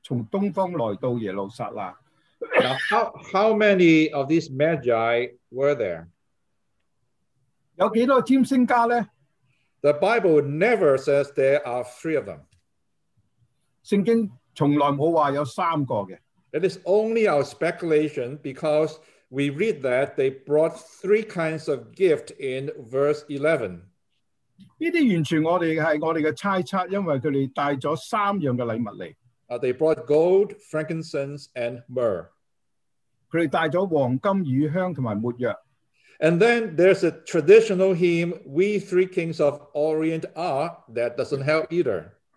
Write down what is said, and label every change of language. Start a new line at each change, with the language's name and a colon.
Chinese: 第一次讲到希律王执政的时候,耶稣生在犹太的伯利恒,那时有几个占星家从东方来到耶路撒冷。
English: Now, how many of these magi were there?
Chinese: 有几个占星家呢?
English: The Bible never says there are three of them.
Chinese: 圣经从来没有说有三个的。
English: It is only our speculation because we read that they brought three kinds of gift in verse 11.
Chinese: 这些完全是我们的猜测,因为他们带了三样的礼物来。
English: They brought gold, frankincense, and myrrh.
Chinese: 他们带了黄金、乳香和没药。
English: And then there's a traditional hymn, We Three Kings of Orient Are, that doesn't help either.